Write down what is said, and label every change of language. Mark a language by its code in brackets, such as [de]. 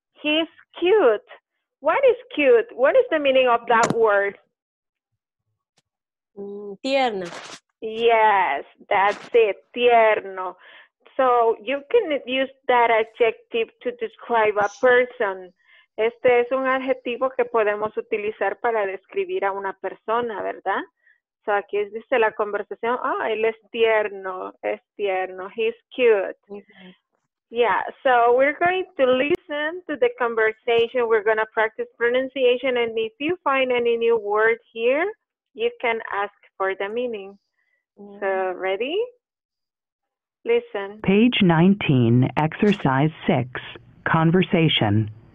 [en] He's cute. What is cute? What is the meaning of that word? [es] Tierno. [en] Yes, that's it, tierno. So you can use that adjective to describe a person. [es] Este es un adjetivo que podemos utilizar para describir a una persona, ¿verdad? O sea, aquí dice la conversación, ah, oh, él es tierno, [en] he's cute. Mm-hmm. Yeah, so we're going to listen to the conversation, we're going to practice pronunciation, and if you find any new word here, you can ask for the meaning. Mm-hmm. So, ready? Listen. Page 19, exercise 6, conversation.